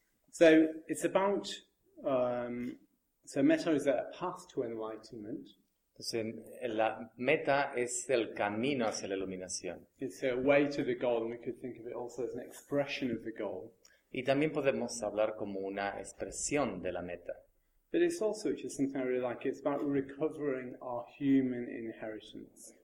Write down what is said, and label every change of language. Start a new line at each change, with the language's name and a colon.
English: So it's about metta is a path to enlightenment.
Spanish: Entonces, la meta es el camino hacia la iluminación.
English: It's a way to the goal, and we could think of it also as an expression of the goal.
Spanish: Y también podemos hablar como una expresión de la meta.
English: But it's also, which is something I really like, it's about recovering our human inheritance.